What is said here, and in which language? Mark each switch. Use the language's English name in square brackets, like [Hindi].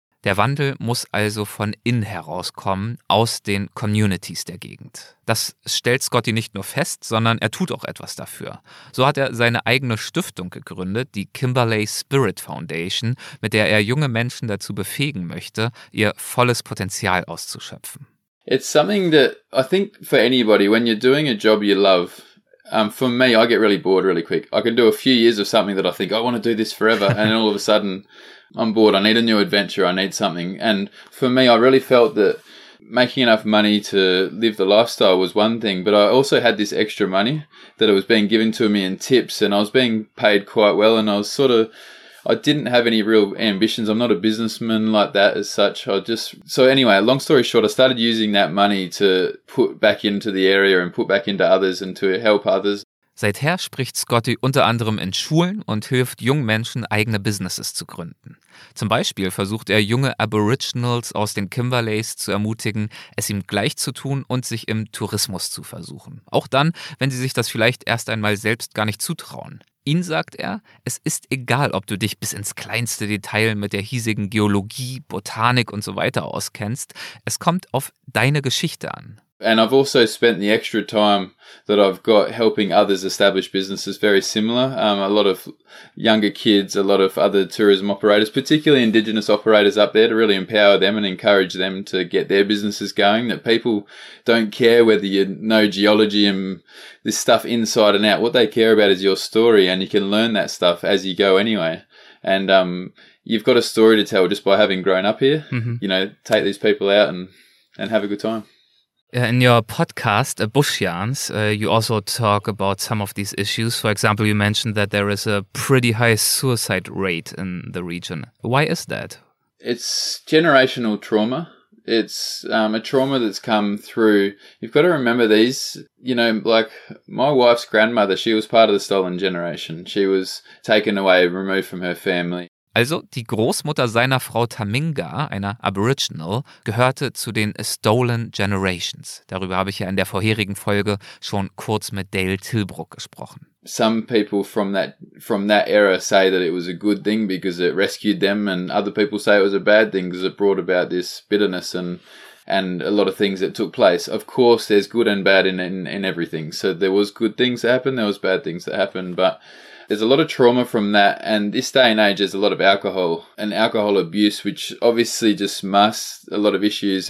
[German] Der Wandel muss also von innen herauskommen, aus den Communities der Gegend. Das stellt Scotty nicht nur fest, sondern er tut auch etwas dafür. So hat er seine eigene Stiftung gegründet, die Kimberley Spirit Foundation, mit der er junge Menschen dazu befähigen möchte, ihr volles Potenzial auszuschöpfen. [English] It's something that I think for anybody, when you're doing a job you love, for me, I get really bored really quick. I can do a few years of something that I think, I want to do this forever, and then all of a sudden, I'm bored. I need a new adventure. I need something. And for me, I really felt that making enough money to live the lifestyle was one thing, but I also had this extra money that it was being given to me in tips, and I was being paid quite well, and I didn't have any real ambitions. I'm not a businessman like that as such. So anyway, long story short, I started using that money to put back into the area and put back into others and to help others. [German] Seither spricht Scotty unter anderem in Schulen und hilft jungen Menschen, eigene Businesses zu gründen. Zum Beispiel versucht er, junge Aboriginals aus den Kimberleys zu ermutigen, es ihm gleich zu tun und sich im Tourismus zu versuchen. Auch dann, wenn sie sich das vielleicht erst einmal selbst gar nicht zutrauen. Ihn sagt er, es ist egal, ob du dich bis ins kleinste Detail mit der hiesigen Geologie, Botanik und so weiter auskennst, es kommt auf deine Geschichte an. [English] And I've also spent the extra time that I've got helping others establish businesses very similar. A lot of younger kids, a lot of other tourism operators, particularly Indigenous operators up there, to really empower them and encourage them to get their businesses going. That people don't care whether you know geology and this stuff inside and out. What they care about is your story, and you can learn that stuff as you go anyway. And you've got a story to tell just by having grown up here. Mm-hmm. You know, take these people out and have a good time. In your podcast, Bush Yarns, you also talk about some of these issues. For example, you mentioned that there is a pretty high suicide rate in the region. Why is that? It's generational trauma. It's a trauma that's come through. You've got to remember these, you know, like my wife's grandmother, she was part of the stolen generation. She was taken away, removed from her family. [German] Also, die Großmutter seiner Frau Taminga, einer Aboriginal, gehörte zu den Stolen Generations. Darüber habe ich ja in der vorherigen Folge schon kurz mit Dale Tilbrook gesprochen. [English] Some people from that era say that it was a good thing because it rescued them, and other people say it was a bad thing because it brought about this bitterness and a lot of things that took place. Of course, there's good and bad in everything. So there was good things that happened, there was bad things that happened, but there's a lot of trauma from that, and this day and age, there's a lot of alcohol and alcohol abuse, which obviously just masks a lot of issues.